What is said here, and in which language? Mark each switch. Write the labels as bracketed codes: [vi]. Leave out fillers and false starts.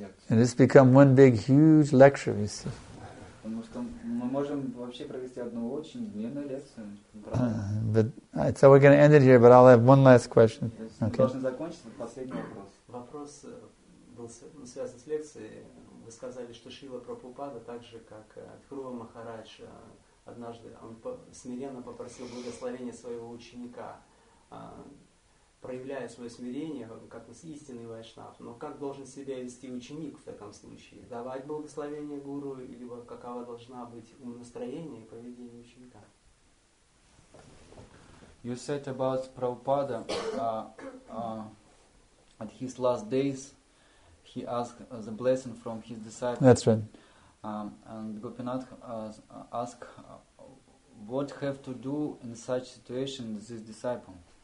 [en] And it's become one big, huge lecture, you see. But so we're going to end it here, but I'll have one last question. Okay. [ru] Вы сказали, что Шрила Прабхупада, так же как Тхрува Махарадж, однажды он смиренно попросил благословения своего ученика, проявляя свое смирение, как истинный вайшнав. Но как должен себя вести ученик в таком случае? Давать благословение гуру, или каково должно быть настроение и поведение ученика? [en] You said about Prabhupada, at his last days, he asked the blessing from his disciples. That's right. And Gopinath asked, what have to do in such situation this disciple?